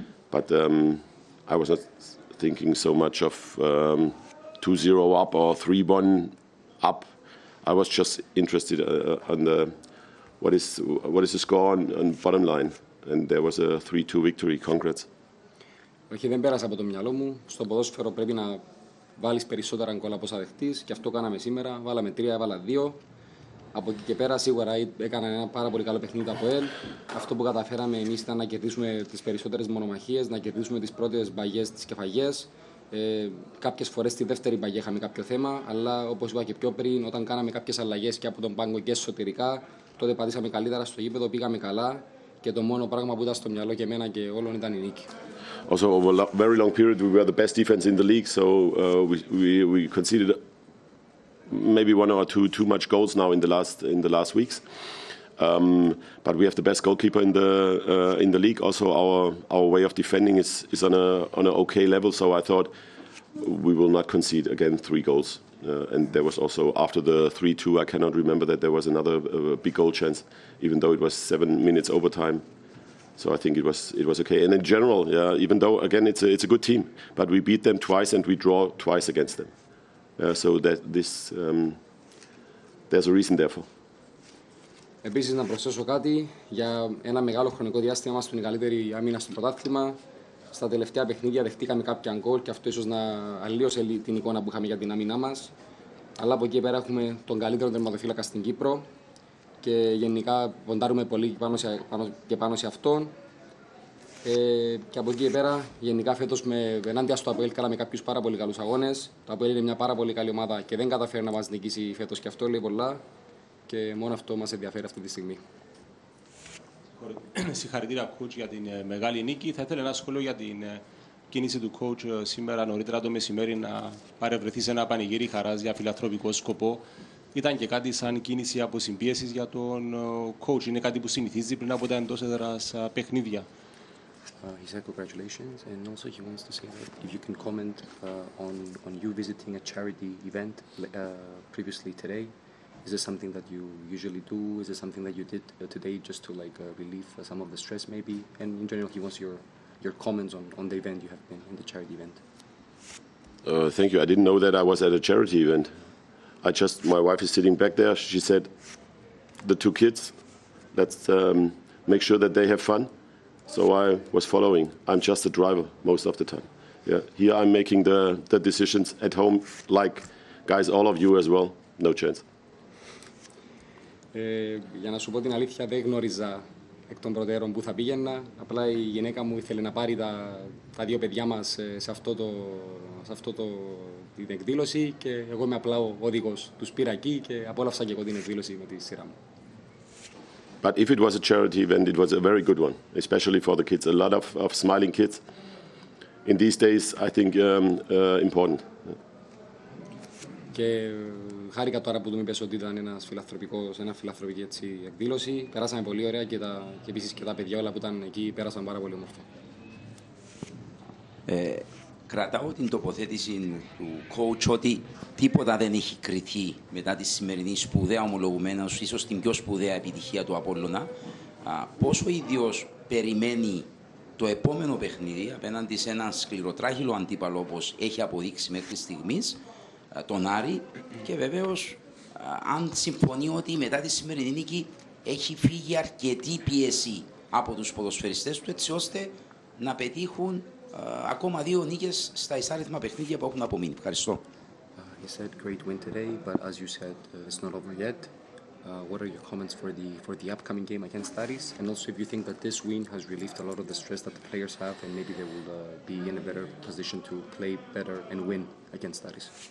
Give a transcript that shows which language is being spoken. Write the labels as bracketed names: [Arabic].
[English] But I was not thinking so much of 2-0 up or 3-1 up. I was just interested on the what is the score on bottom line, and there was a 3-2 victory. Congrats. [Greek] Όχι, δεν πέρασε από το μυαλό μου. Στο ποδόσφαιρο πρέπει να βάλεις περισσότερα γκολ από όσα δεχτείς, και αυτό κάναμε σήμερα. Βάλαμε 3, έβαλα 2. Από εκεί και πέρα σίγουρα έκανα ένα πάρα πολύ καλό παιχνίδι από ΕΛ. Αυτό που καταφέραμε εμείς ήταν να κερδίσουμε τις περισσότερες μονομαχίες, να κερδίσουμε τις πρώτες μπαγιές, τις κεφαγιές. Κάποιες φορές στη δεύτερη μπαγιά είχαμε κάποιο θέμα, αλλά όπως είπα και πιο πριν, όταν κάναμε κάποιες αλλαγές και από τον πάγκο και εσωτερικά, τότε πατήσαμε καλύτερα στο γήπεδο, πήγαμε καλά. Και το μόνο πράγμα που ήταν στο μυαλό και εμένα και όλων ήταν η νίκη. [English] Also, over a very long period, we were the best defense in the league, so we conceded maybe one or two much goals now in the last weeks, but we have the best goalkeeper in the league. Also, our way of defending is on an okay level. So I thought we will not concede again three goals. And there was also after the 3-2, I cannot remember that there was another big goal chance, even though it was 7 minutes overtime. So I think it was okay. And in general, yeah, even though again it's a good team, but we beat them twice and we draw twice against them. So that this there's a reason therefore. [Greek] Επίσης να προσθέσω κάτι για ένα μεγάλο χρονικό διάστημα μας που είναι η καλύτερη άμυνα στο πρωτάθλημα. Στα τελευταία παιχνίδια δεχτήκαμε κάποια γκολ και αυτό ίσως να αλλίωσε την εικόνα που είχαμε για την άμυνά μας. Αλλά από εκεί πέρα έχουμε τον καλύτερο τερματοφύλακα στην Κύπρο και γενικά ποντάρουμε πολύ πάνω σε αυτόν. Και από εκεί πέρα, γενικά φέτος με ενάντια στο ΑΠΟΕΛ, κάναμε κάποιους πάρα πολύ καλούς αγώνες. Το ΑΠΟΕΛ είναι μια πάρα πολύ καλή ομάδα και δεν καταφέρει να μας νικήσει φέτος, και αυτό λέει πολλά. Και μόνο αυτό μας ενδιαφέρει αυτή τη στιγμή. Συγχαρητήρια, coach, για την μεγάλη νίκη. Θα ήθελα ένα σχόλιο για την κίνηση του coach σήμερα νωρίτερα το μεσημέρι να παρευρεθεί σε ένα πανηγύρι χαράς για φιλανθρωπικό σκοπό. Ήταν και κάτι σαν κίνηση αποσυμπίεσης για τον coach? Είναι κάτι που συνηθίζει πριν από τα εντός έδρας παιχνίδια? [English] He said congratulations, and also he wants to say that if you can comment on you visiting a charity event previously today. Is this something that you usually do? Is this something that you did today just to like relieve some of the stress maybe? And in general, he wants your comments on the event you have been in, the charity event. Thank you. I didn't know that I was at a charity event. My wife is sitting back there. She said, the two kids, let's make sure that they have fun. So I was following. I'm just a driver most of the time. Yeah, here I'm making the decisions at home, like guys, all of you as well. No chance. [Greek] Για να σου πω την αλήθεια, δεν γνώριζα εκ των προτέρων που θα πήγαινα. Απλά η γυναίκα μου ήθελε να πάρει τα δύο παιδιά μας σε αυτή την εκδήλωση, και εγώ είμαι απλά ο οδηγός. Τους πήρα εκεί και απόλαυσα και εγώ την εκδήλωση με τη σειρά μου. [English] But if it was a charity event, it was a very good one, especially for the kids. A lot of smiling kids in these days, I think, important. [Greek] Και χάρηκα τώρα που του είπες ότι ήταν ένα φιλανθρωπική έτσι εκδήλωση. Περάσαμε πολύ ωραία και επίσης και τα παιδιά όλα που ήταν εκεί πέρασαν πάρα πολύ όμορφα. Κρατάω την τοποθέτηση του coach ότι τίποτα δεν έχει κριθεί μετά τη σημερινή σπουδαία ομολογουμένα, ίσως την πιο σπουδαία επιτυχία του Απόλλωνα. Πόσο ίδιος περιμένει το επόμενο παιχνίδι απέναντι σε έναν σκληροτράχυλο αντίπαλο όπως έχει αποδείξει μέχρι στιγμής τον Άρη και βεβαίως αν συμφωνεί ότι μετά τη σημερινή νίκη έχει φύγει αρκετή πίεση από τους ποδοσφαιριστές του έτσι ώστε να πετύχουν ακόμα δύο νίκες στα ισάριθμα παιχνίδια που έχουν απομείνει. Ευχαριστώ. [English] He said great win today, but as you said, it's not over yet. What are your comments for the upcoming game against Aris? And also, if you think that this win has relieved a lot of the stress that the players have, and maybe they will be in a better position to play better and win against Aris.